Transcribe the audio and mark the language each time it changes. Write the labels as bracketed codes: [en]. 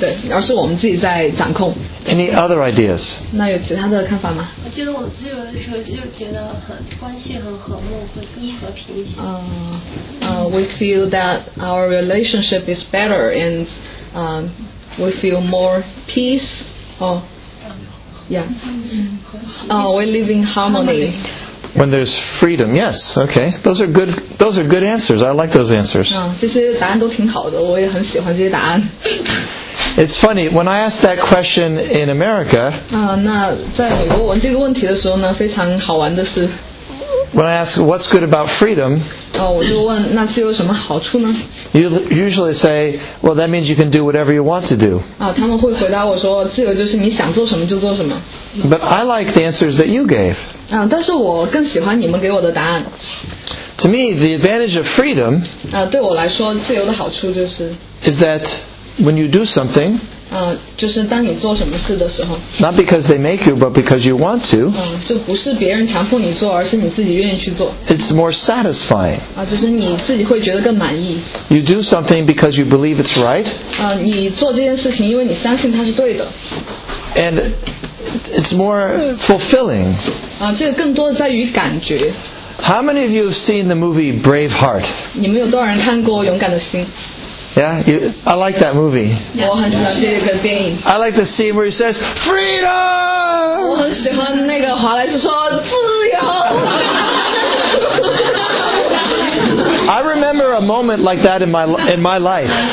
[zh] 那其实当我们自由的时候，我们觉得没有其他人在控制我们，对，而是我们自己在掌控。 [en] Any other ideas? [zh] 那有其他的看法吗？我觉得我自由的时候就觉得关系很和睦，会和平一些。 [en] We feel that our relationship is better and we feel more peace. We live in harmony. When there's freedom, yes, okay. Those are good answers. I like those answers. [zh] 这些答案都挺好的，我也很喜欢这些答案。 [en] It's funny, when I asked that question in America, [zh] 那在美国问这个问题的时候呢，非常好玩的是， [en] when I ask what's good about freedom, [zh] 我就问那自由什么好处呢？ [en] You usually say, well, that means you can do whatever you want to do. [zh] 他们会回答我说，自由就是你想做什么就做什么。 [en] But I like the answers that you gave. [zh] 但是我更喜欢你们给我的答案。 [en] To me, the advantage of freedom, [zh] 对我来说，自由的好处就是， [en] is that when you do something, [zh] 就是当你做什么事的时候, [en] not because they make you, but because you want to, [zh] 就不是别人强迫你做，而是你自己愿意去做。 [en] It's more satisfying. [zh] 就是你自己会觉得更满意。 [en] You do something because you believe it's right. [zh] 你做这件事情因为你相信它是对的。 [en] And it's more fulfilling. [zh] 这个更多的在于感觉。 [en] How many of you have seen the movie Braveheart? [zh] 你们有多少人看过《勇敢的心》？ [en] Yeah, I like that movie. Yeah. I like the scene where he says, Freedom! I remember a moment like that in my life.